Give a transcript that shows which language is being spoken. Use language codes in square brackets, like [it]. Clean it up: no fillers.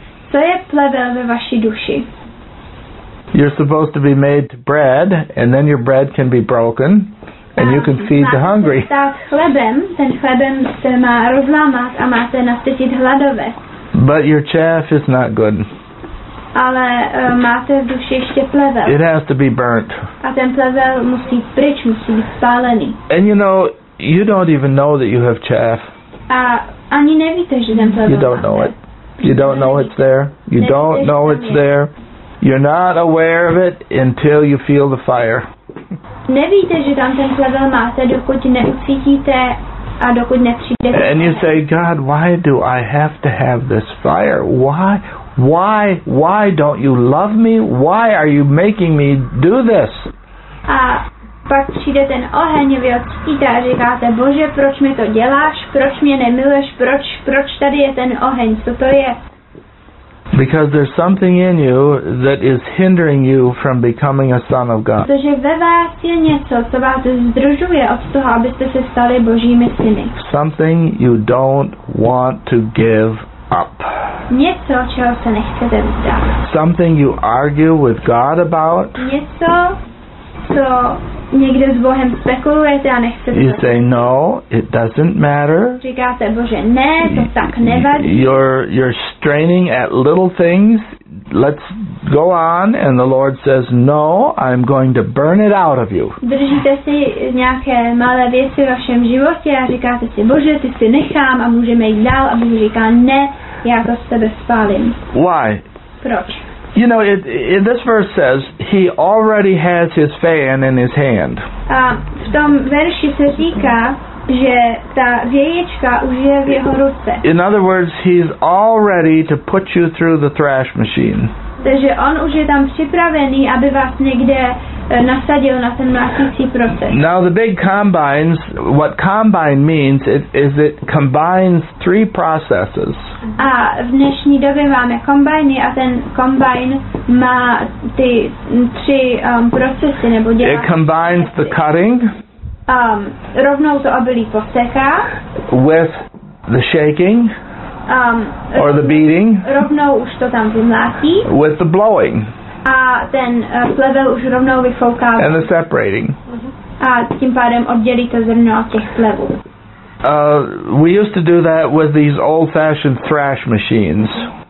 [cs] Co je plevel ve vaší duši? [en] You're supposed to be made bread, and then your bread can be broken, and you can feed the hungry. [cs] Stát chlebem, ten chlebem se má rozlámat a máte nasytit hladové. [en] But your chaff is not good. [cs] Ale máte v duši ještě plevel. [en] It has to be burnt. [cs] A ten plevel musí pryč, musí být spálený. [en] And you know, you don't even know that you have chaff. [cs] A ani nevíte, že ten plevel. [en] You don't know it. You don't know it's there. You don't know it's there. You're not aware of it until you feel the fire. [cs] Nevíte, že tam ten plevel máte, dokud neucítíte a dokud nepřijde. [en] And you say, God, why do I have to have this fire? Why don't you love me? Why are you making me do this? [cs] A pak přijde ten oheň, vy odcítíte a říkáte, Bože, proč mi to děláš? Proč mě nemiluješ? Proč tady je ten oheň? Co to je? [en] Because there's something in you that is hindering you from becoming a son of God. [cs] Protože ve vás je něco, co vás zdržuje od toho, abyste se stali Božími syny. [en] Something you don't want to give up. [cs] Něco, čeho se nechcete vzdát. [en] Something you argue with God about. [cs] Něco, co někde s Bohem spekulujete a nechcete. [en] You say, no, it doesn't matter. [cs] Říkáte, Bože, ne, to tak nevadí. [en] You're straining at little things. Let's go on. And the Lord says, no, I'm going to burn it out of you. [cs] Držíte si nějaké malé věci v vašem životě a říkáte si, Bože, ty si nechám a můžeme jít dál. A Bůh říká, ne, já to z tebe spálím. [en] Why? [cs] Proč? [en] You know, in this verse says he already has his fan in his hand. [cs] V tom verši se říká, že ta věječka už je v jeho ruce. [en] In other words, he's all ready to put you through the thrash machine. [cs] Takže on už je tam připravený, aby vás někde nasadil na ten mlátící proces. [en] Now the big combines, what combine means is it combines three processes. [cs] A v dnešní době máme kombajny a ten kombajn má ty tři procesy nebo dělá. [en] It combines the cutting. [cs] Rovnou to obilí poseká. [en] With the shaking. Or the beating. [cs] Rovnou už to tam vymlátí. [en] With the blowing. [cs] A ten plevel už rovnou vyfouká. [en] And the separating. [cs] A tím pádem oddělí to zrno od těch plevů. [en] We used to do that with these old-fashioned thrash machines.